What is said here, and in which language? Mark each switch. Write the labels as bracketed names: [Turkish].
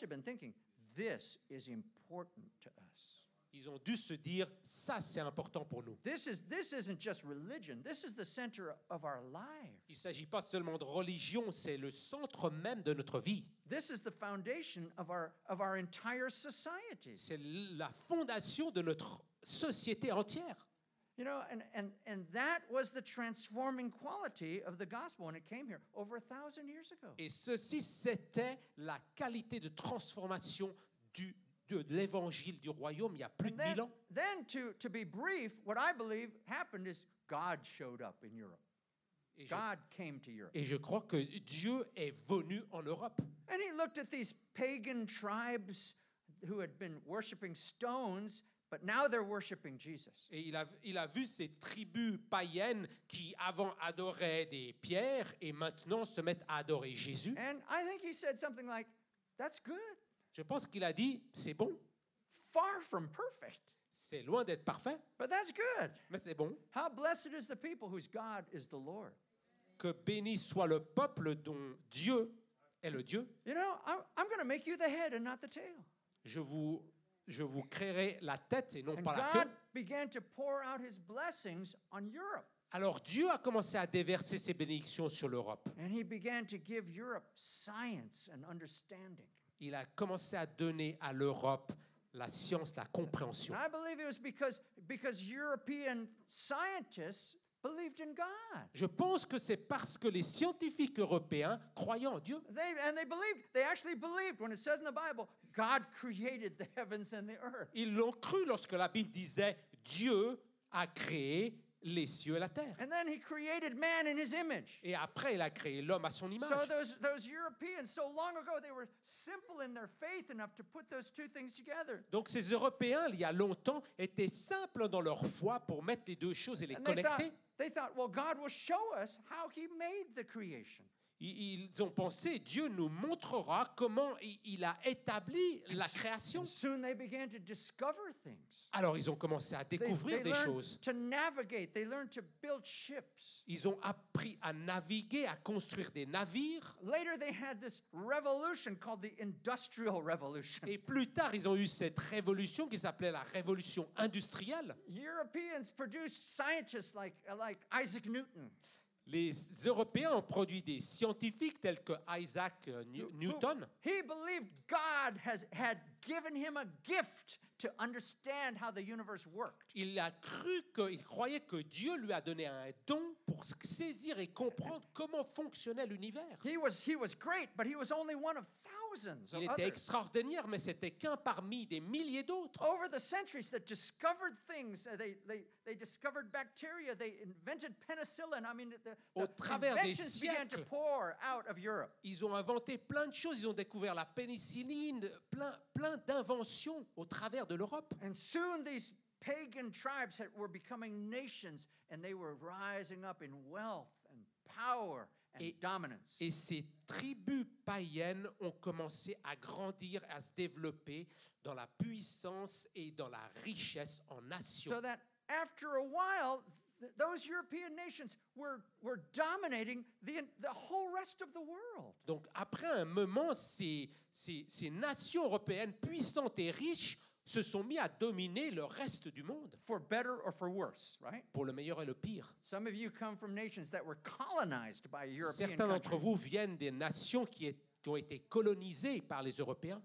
[English] have been thinking, this is important to us. [French] Ils ont dû se dire, ça c'est important pour nous. [English] This isn't just religion. This is the center of our lives. [French] Il s'agit pas seulement de religion, c'est le centre même de notre vie. [English] This is the foundation of our entire society. [French] C'est la fondation de notre société entière. [English] You know, and that was the transforming quality of the gospel when it came here over 1,000 years ago. [French] Et ceci c'était la qualité de transformation de l'évangile du royaume il y a plus [English] then, [French] de 1000 ans. [English] Then to be brief, what I believe happened is God showed up in Europe. God came to Europe. [French] Et je crois que Dieu est venu en Europe. [English] And he looked at these pagan tribes who had been worshiping stones, but now they're worshiping Jesus. [French] Et il a vu ces tribus païennes qui avant adoraient des pierres et maintenant se mettent à adorer Jésus. [English] And I think he said something like, that's good. [French] Je pense qu'il a dit, c'est bon. [English] Far from perfect. [French] C'est loin d'être parfait. [English] But that's good. [French] Mais c'est bon. [English] How blessed is the people whose God is the Lord. [French] Que béni soit le peuple dont Dieu est le Dieu. [English] You know, I'm going to make you the head and not the tail. [French] Je vous créerai la tête et non [English] and [French] pas [English] God [French] la queue. [English] God began to pour out his blessings on Europe. [French] Alors Dieu a commencé à déverser ses bénédictions sur l'Europe. [English] And he began to give Europe science and understanding. [French] Il a commencé à donner à l'Europe la science, la compréhension. [English] And I believe it was because European scientists believed in God. [French] Je pense que c'est parce que les scientifiques européens croyaient en Dieu. [English] They actually believed when it says in the Bible, God created the heavens and the earth. [French] Ils l'ont cru lorsque la Bible disait Dieu a créé les cieux et la terre. [English] And then he created man in his image. [French] Et après, il a créé l'homme à son image. [English] So those Europeans, so long ago, they were simple in their faith enough to put those two things together. [French] Donc ces Européens, il y a longtemps, étaient simples dans leur foi pour mettre les deux choses et les connecter. [English] They thought, well, God will show us how he made the creation. [French] Ils ont pensé, Dieu nous montrera comment il a établi la création. [English] Soon they began to discover things. [French] Alors, ils ont commencé à découvrir [English] they [French] des choses. [English] To navigate. They learned to build ships. [French] Ils ont appris à naviguer, à construire des navires. [English] Later they had this revolution called the Industrial Revolution. [French] Et plus tard, ils ont eu cette révolution qui s'appelait la révolution industrielle. [English] Europeans produced scientists like Isaac Newton. [French] Les Européens ont produit des scientifiques tels que Isaac Newton. [English] He believed God had given him a gift to understand how the universe worked. [French] Il croyait que Dieu lui a donné un don pour saisir et comprendre comment fonctionnait l'univers. [English] He was great, but he was only one of thousands of others. [French] Il était extraordinaire, mais c'était qu'un parmi des milliers d'autres. [English] Over the centuries, that discovered things, they discovered bacteria, they invented penicillin. I mean, the inventions began to pour out of Europe. [French] Ils ont inventé plein de choses. Ils ont découvert la pénicilline, plein d'inventions au travers de l'Europe. [English] And soon these pagan tribes were becoming nations, and they were rising up in wealth and power and dominance. [French] Et ces tribus païennes ont commencé à grandir, à se développer dans la puissance et dans la richesse en nations. [English] So that after a while, those European nations were dominating the whole rest of the world. [French] Donc après un moment, ces nations européennes puissantes et riches se sont mis à dominer le reste du monde. [English] For better or for worse, right? [French] Pour le meilleur et le pire. [English] Some of you come from nations that were colonized by European countries. [French] Certains d'entre vous viennent des nations qui ont été colonisées par les Européens.